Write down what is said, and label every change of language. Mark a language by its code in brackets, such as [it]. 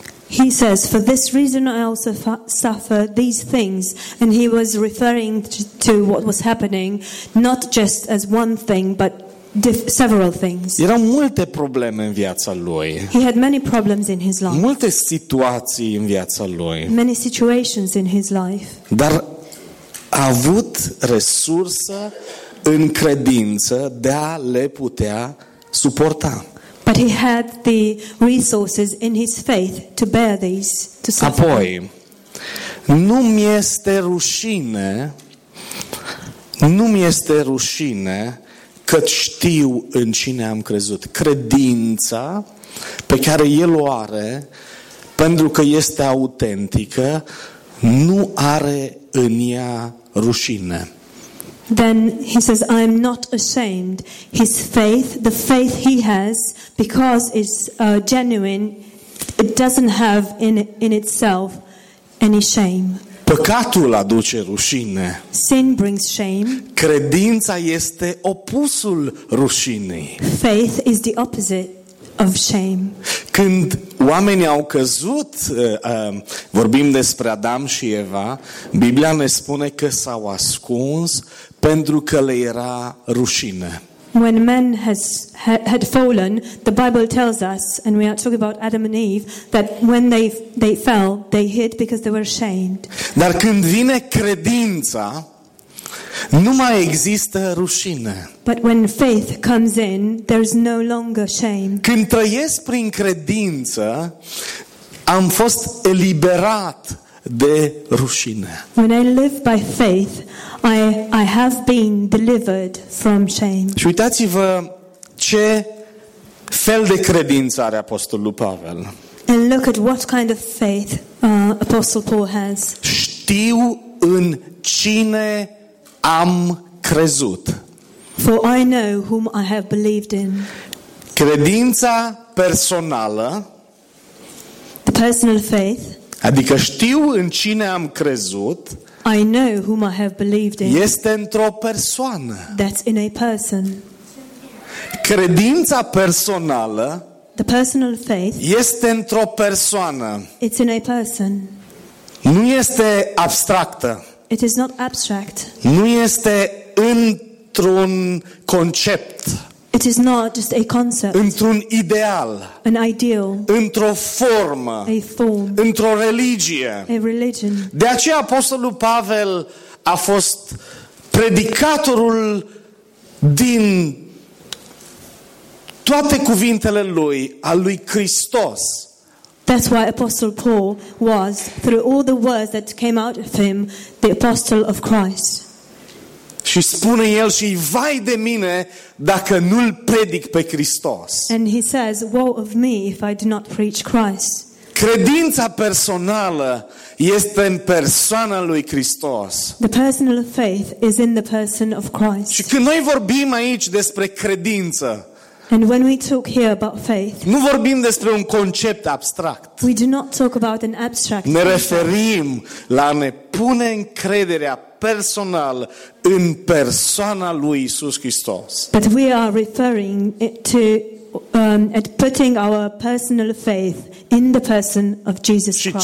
[en] He says, for this reason I also suffer these things, and he was referring to what was happening, not just as one thing, but several things. [ro] Erau multe probleme în viața lui. [en] He had many problems in his life. [ro] Multe situații în viața lui. [en] Many situations in his life. [ro] Dar a avut resursă în credință de a le putea suporta. [en] But he had the resources in his faith to bear these, to suffer. [ro] Apoi, nu mi este rușine, nu mi este rușine că știu în cine am crezut. Credința pe care el o are, pentru că este autentică, nu are în ea rușine. [en] Then he says, I am not ashamed. His faith, the faith he has, because it's genuine, it doesn't have in itself any shame. [ro] Păcatul aduce rușine. [en] Sin brings shame. [ro] Credința este opusul rușinei. [en] Faith is the opposite of shame. [ro] Când oamenii au căzut, vorbim despre Adam și Eva, Biblia ne spune că s-au ascuns pentru că le era rușine. [en] When men had fallen, the Bible tells us, and we are talking about Adam and Eve, that when they fell, they hid because they were ashamed. [ro] Dar când vine credința, nu mai există rușine. [en] But when faith comes in, there is no longer shame. [ro] Când trăiesc prin credință, am fost eliberat de rușine. [en] When I live by faith, I have been delivered from shame. [ro] Și uitați-vă ce fel de credință are apostolul Pavel. [en] And look at what kind of faith Apostle Paul has. [ro] Știu în cine am crezut. [en] For I know whom I have believed in. [ro] Credința personală. [en] The personal faith. [ro] Adică știu în cine am crezut. [en] I know whom I have believed in. [ro] Este într-o persoană. [en] That's in a person. [ro] Credința personală. [en] The personal faith. [ro] Este într-o persoană. [en] It's in a person. [ro] Nu este abstractă. [en] It is not abstract. [ro] Nu este într-un concept. [en] It is not just a concept. [ro] Într-un ideal. [en] An ideal. [ro] Într-o formă. [en] A form. [ro] Într-o religie. [en] A religion. [ro] De aceea apostolul Pavel a fost predicatorul din toate cuvintele lui, al lui Hristos. [en] That's why Apostle Paul was, through all the words that came out of him, the apostle of Christ. [ro] Și spune el și vai de mine dacă nu-l predic pe Hristos. [en] And he says, woe of me if I do not preach Christ. [ro] Credința personală este în persoana lui Hristos. [en] The personal faith is in the person of Christ. [ro] Și când noi vorbim aici despre credință, [en] and when we talk here about faith, [ro] nu vorbim despre un concept abstract. [en] We do not talk about an abstract. [ro] Ne referim la a ne pune încrederea personal în persoana lui Iisus Hristos. [en] But we are referring to at putting our personal faith in the person of Jesus Christ.